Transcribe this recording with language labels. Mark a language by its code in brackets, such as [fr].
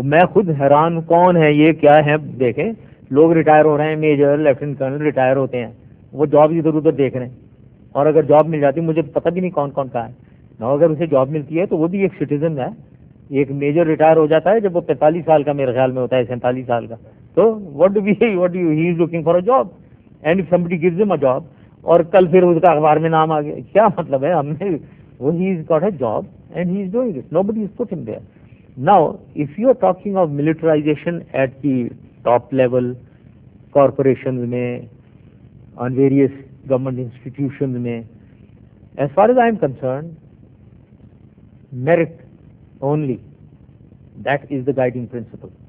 [hi] मैं खुद हैरान, कौन है ये, क्या है. देखें, लोग रिटायर हो रहे हैं, मेजर लेफ्टिनेंट कर्नल रिटायर होते हैं, वो जॉब इधर उधर देख रहे हैं. और अगर जॉब मिल जाती है, मुझे पता भी नहीं कौन कौन कहा है ना. अगर उसे जॉब मिलती है तो वो भी एक सिटीजन है. एक मेजर रिटायर हो जाता है जब वो 45 साल का मेरे ख्याल में होता है, 47 साल का. [en] तो what do you he is looking for a job. And if somebody gives him a job, [hi] और कल फिर उसका अखबार में नाम आ गया, क्या मतलब है हमने. [en] वो he is got a job and he is doing this, nobody is put him there. Now if you are talking of militarization at the top level corporation में, on various government institution में, as far as I am concern, merit only, that is the guiding principle.